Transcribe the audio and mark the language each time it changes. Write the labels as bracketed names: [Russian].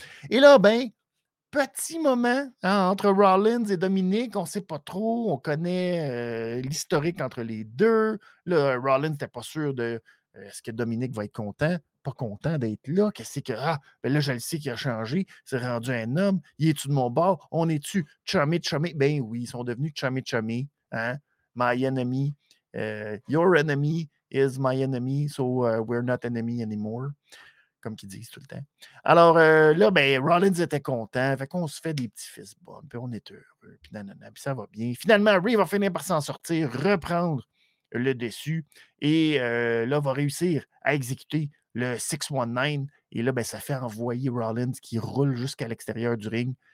[French] Et là, ben, petit moment hein, entre Rollins et Dominic, on ne sait pas trop, on connaît l'historique entre les deux. Là, Rollins n'était pas sûr de est-ce que Dominic va être content, pas content d'être là. Qu'est-ce que ah, ben là, je le sais qu'il a changé, c'est rendu un homme. Il est-tu de mon bord? On est-tu chummy chummy? Ben oui, ils sont devenus chummy chummy. Hein? [English] My enemy, your enemy is my enemy, so we're not enemy anymore. [French] Comme qu'ils disent tout le temps. Alors là, ben, Rollins était content. Fait qu'on se fait des petits fist bumps, puis on est heureux, puis nanana, puis ça va bien. Finalement, Ray va finir par s'en sortir, reprendre le dessus, et là, va réussir à exécuter le 619, et là, ben, ça fait envoyer Rollins qui roule jusqu'à l'extérieur du ring.